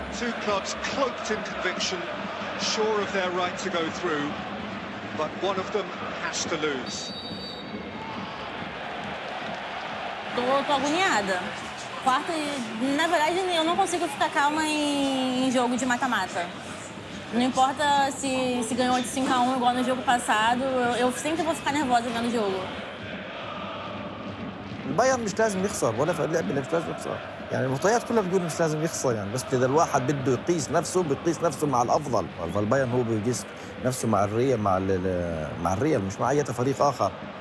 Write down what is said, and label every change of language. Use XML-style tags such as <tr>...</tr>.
<en>Two clubs cloaked in conviction, sure of their right to go through, but one of them has to lose.</en> <pt>Tô agoniada. Quarta, na verdade, eu não consigo ficar calma em jogo de mata-mata. Não importa se ganhou de 5-1 igual no jogo passado, eu sempre vou ficar nervosa vendo o jogo.</pt> <ar>البايرن مش لازم يخسر ولا في اللعبة مش لازم يخسر يعني المعطيات كلها بتقول مش لازم يخسر يعني بس إذا الواحد بده يقيس نفسه بيقيس نفسه مع الأفضل فالبايرن هو بيقيس نفسه مع الريال مع الريال مش مع أي فريق آخر.</ar>